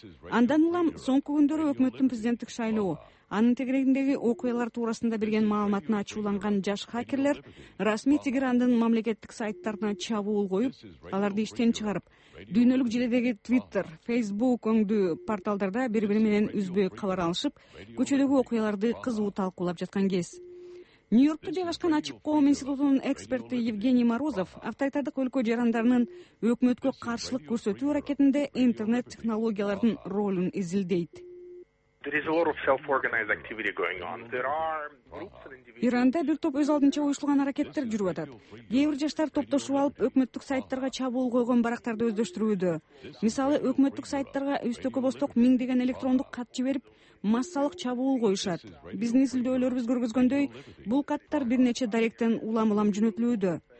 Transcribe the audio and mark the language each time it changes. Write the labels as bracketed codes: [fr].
[ky] Андан улам соңку күндөрү өкмөттүн президенттик шайлоо, анын тегерегиндеги окуялар туурасында берген маалыматына ачууланган жаш хакерлер расмий Тегерандын мамлекеттик сайттарына чабуул коюп, аларды иштен чыгарып, дүйнөлүк желедеги Twitter, Facebook өңдүү порталдарда бири бири менен үзбөй кабар алышып, көчөдөгү окуяларды кызуу талкуулап жаткан кез. Нью-Йоркто жайгашкан Ачык коом институтунун эксперти Евгений Морозов авторитардык өлкө жарандарынын өкмөткө каршылык көрсөтүү аракетинде интернет технологиялардын ролун изилдейт. [en] There is a lot of self-organized activity going on. There are groups and individuals. [ky] Иранда бир топ өз алдынча уюштурулган аракеттер жүрүп атат. Кээ бир жаштар топтошуп алып, өкмөттүк сайттарга чабуул койгон барактарды өздөштүрүүдө. Мисалы, өкмөттүк сайттарга үстөкө бостук миңдеген электрондук кат жиберип, массалык чабуул коюшат. Биздин изилдөөлөрүбүз көргөзгөндөй, бул каттар бир нече даректен улам-улам жөнөтүлүүдө.